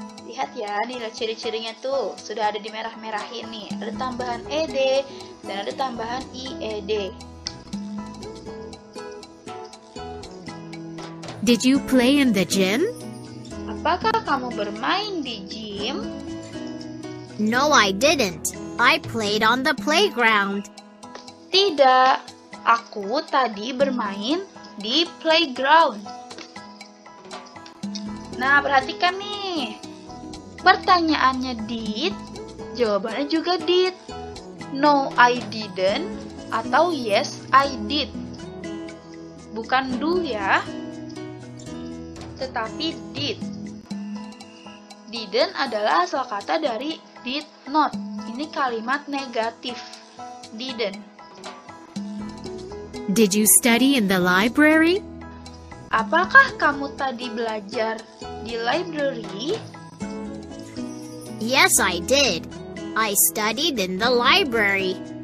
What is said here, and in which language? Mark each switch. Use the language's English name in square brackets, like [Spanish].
[Indonesian] Lihat ya, nih ciri-cirinya tuh sudah ada di merah-merah ini. Ada tambahan ed dan ada tambahan ied. [English] Did you play in the gym? [Indonesian] Apakah kamu bermain di gym? [English] No, I didn't. I played on the playground. [Indonesian] Tidak, aku tadi bermain di playground. Nah, perhatikan nih. Pertanyaannya did, jawabannya juga did. [English] No, I didn't, atau yes, I did. [Indonesian] Bukan do ya, tetapi did. Didn't adalah asal kata dari did not. Ini kalimat negatif, didn't. [English] Did you study in the library? [Indonesian] Apakah kamu tadi belajar di library? [English] Yes, I did. I studied in the library.